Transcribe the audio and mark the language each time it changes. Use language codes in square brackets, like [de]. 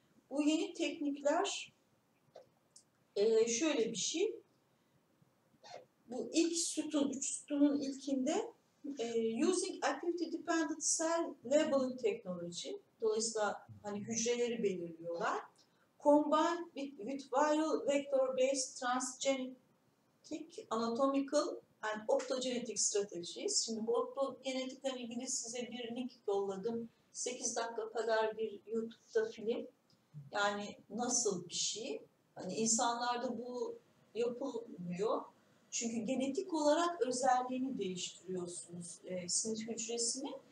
[tr] Bu yeni tekniklerşöyle bir şey. Bu ilk sütun, üç sütunun ilkinde [en] Using Activity Dependent Cell Labeling Technology, [tr] dolayısıyla hani hücreleri belirliyorlar. [en] Combined with Viral Vector Based Transgenic Anatomical and Optogenetic Strategies. [tr] Şimdi bu optogenetikle ilgili size bir link yolladım. 8 dakika kadar bir YouTube'da film. Yani nasıl bir şey? Hani insanlarda bu yapılmıyor. Çünkü genetik olarak özelliğini değiştiriyorsunuz sinir hücresini.